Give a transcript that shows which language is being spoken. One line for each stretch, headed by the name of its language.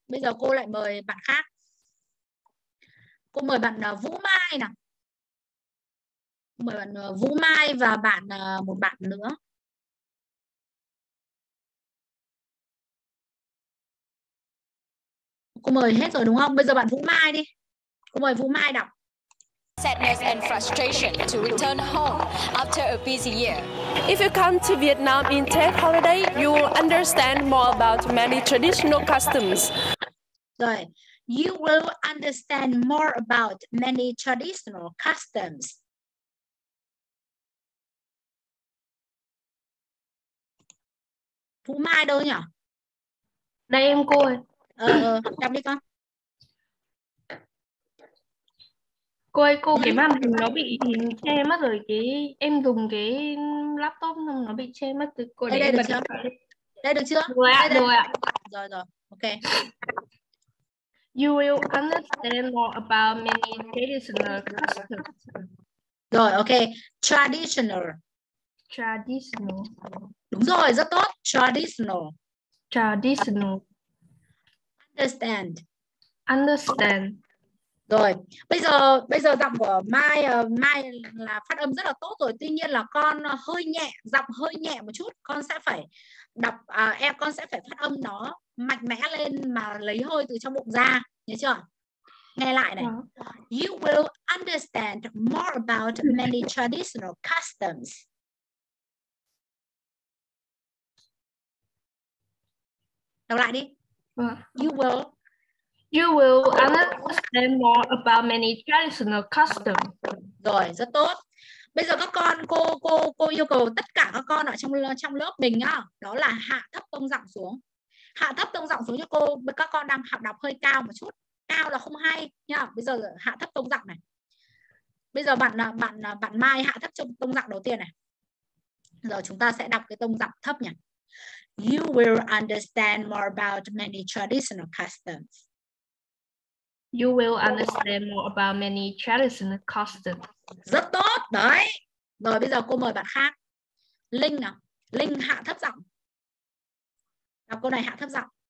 Vietnamese: Bây giờ cô lại mời bạn khác. Cô mời bạn Vũ Mai nè. Mời bạn Vũ Mai và bạn một bạn nữa. Cô mời hết rồi đúng không? Bây giờ bạn Vũ Mai đi. Cô mời Vũ Mai đọc.
English: Sadness and frustration to return home after a busy year. If you come to Vietnam in Tết holiday, you will understand more about many traditional customs.
Vietnamese: Rồi.
English: You will understand more about many traditional customs.
Vietnamese: Vũ Mai đâu nhỉ? Đây em cô ơi. Đọc đi con. Cô ơi, cô cái màn hình nó bị che mất rồi. Cái em dùng cái laptop xong nó bị che mất. Cô đây, đây, được đây được chưa? Rồi, đây được chưa? Rồi ạ. Rồi, ok.
English: You will understand more about many traditional customs.
Vietnamese: Rồi, ok. Traditional.
English: Traditional.
Vietnamese: Đúng rồi, rất tốt. Traditional.
English: Traditional. Understand. Understand.
Vietnamese: Rồi, bây giờ giọng của Mai Mai là phát âm rất là tốt rồi, tuy nhiên là con hơi nhẹ, giọng hơi nhẹ một chút, con sẽ phải đọc em con sẽ phải phát âm nó mạnh mẽ lên mà lấy hơi từ trong bụng ra, nhớ chưa? Nghe lại này.
English: You will understand more about many traditional customs.
Vietnamese: Đọc lại đi.
English: You will understand more about many traditional customs.
Vietnamese: Rồi, rất tốt. Bây giờ các con, cô yêu cầu tất cả các con ở trong lớp mình á, đó là hạ thấp tông giọng xuống. Hạ thấp tông giọng xuống cho cô, các con đang học đọc hơi cao một chút. Cao là không hay nhá. Bây giờ hạ thấp tông giọng này. Bây giờ bạn Mai hạ thấp tông giọng đầu tiên này. Giờ chúng ta sẽ đọc cái tông giọng thấp nhỉ.
English: You will understand more about many traditional customs. You will understand more about many traditional customs.
Vietnamese: Rất tốt, đấy. Rồi bây giờ cô mời bạn khác. Linh nào. Linh hạ thấp giọng. Đọc câu này hạ thấp giọng.